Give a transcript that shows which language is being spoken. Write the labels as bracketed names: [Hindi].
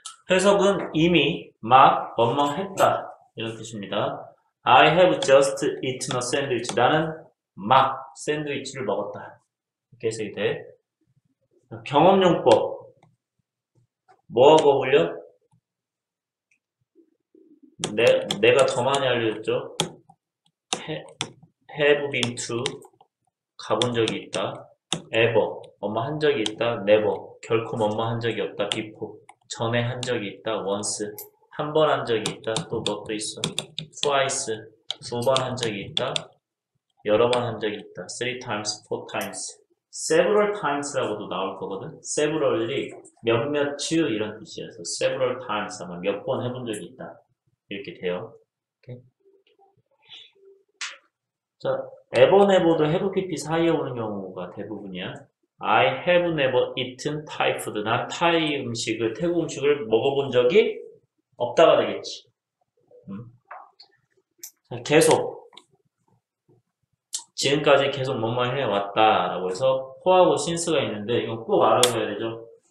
[Korean] 해석은 이미 막 멍멍했다 이런 뜻입니다. [English] I have just eaten a sandwich. [Korean] 나는 막 샌드위치를 먹었다. 이렇게 해석이 돼. 경험용법. 뭐하고 어울려? 내가 더 많이 알려줬죠? [English] Have been to [Korean] 가본 적이 있다. Ever 엄마 한 적이 있다. Never 결코 엄마 한 적이 없다. Before 전에 한 적이 있다, once. 한번한 적이 있다, 또뭐또 있어. [English] twice. [Korean] 두번한 적이 있다, 여러 번한 적이 있다. [English] three times, four times. several times라고도 [Korean] 나올 거거든. severally, 몇몇 츠 이런 뜻이어서 several times, 아마 몇번 해본 적이 있다. 이렇게 돼요. 오케이? 자, ever, never도 have, pp 사이에 오는 경우가 대부분이야. [English] I have never eaten Thai food. [Korean] 난 타이 음식을, 태국 음식을 먹어본 적이 없다가 되겠지. 자, 계속. 지금까지 계속 뭐뭐 해왔다라고 해서 for하고 since가 있는데 이거 꼭 알아둬야 되죠.